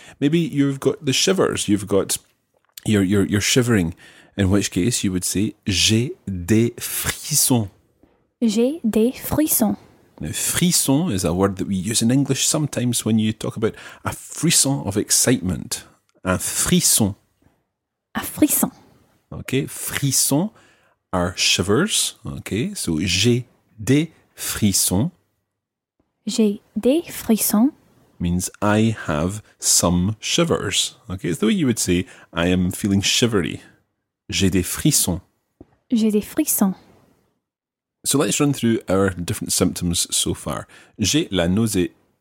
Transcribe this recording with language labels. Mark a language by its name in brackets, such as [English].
[English] Maybe you've got the shivers, you've got, you're shivering, in which case you would say, [French] j'ai des frissons. J'ai des frissons. [English] Now, frisson is a word that we use in English sometimes when you talk about a frisson of excitement. [French] Un frisson. [English] A frisson. Okay, frisson are shivers. Okay, so [French] j'ai des frissons. J'ai des frissons. [English] Means I have some shivers. Okay, so you would say I am feeling shivery. [French] J'ai des frissons. J'ai des frissons. [English] So let's run through our different symptoms so far. [French] J'ai la nausée.